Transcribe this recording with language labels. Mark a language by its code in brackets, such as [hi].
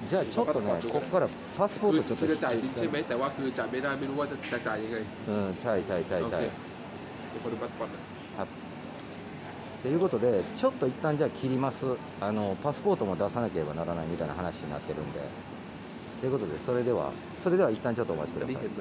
[ja] じゃあちょっとね、ここからパスポートちょっと。 [th] จะจ่ายใช่ไหม？แต่ว่าคือจ่ายไม่ได้ไม่รู้ว่าจะจ่ายยังไง。うん、ちゃいちゃいちゃいちゃい。 [ja] で、これパスポート。はい。ということで、ちょっと一旦じゃあ切ります。あのパスポートも出さなければならないみたいな話になってるんで。ということで、それでは一旦ちょっとお待ちください。